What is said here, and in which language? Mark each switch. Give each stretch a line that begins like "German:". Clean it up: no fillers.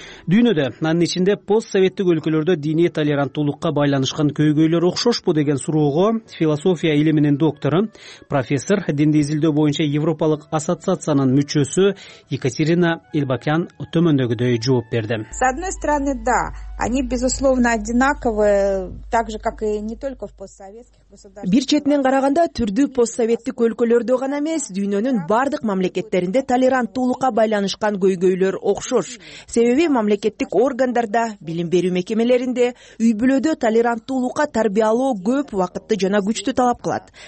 Kyrgyz: Дүйнөдө, анын ичинде постсоветтик өлкөлөрдө диний толеранттуулукка байланышкан көйгөйлөр окшошпу деген суроого философия илиминин доктору, профессор, динди изилдөө боюнча Европалык ассоциациянын мүчөсү Екатерина Ильбакян төмөндөгүдөй жооп берди.
Russian: С одной стороны, да, они безусловно одинаковы, так же как и не только в постсоветских государствах.
Kyrgyz: Бир четинен караганда түрдүү постсоветтик өлкөлөрдө гана эмес, дүйнөнүн бардык мамлекеттеринде толеранттуулукка байланышкан көйгөйлөр окшош. Себеби мамлекеттик органдарда, билим берүү мекемелеринде, үй бүлөдө толеранттуулукка тарбиялоо көп убакытты жана күчтү талап кылат.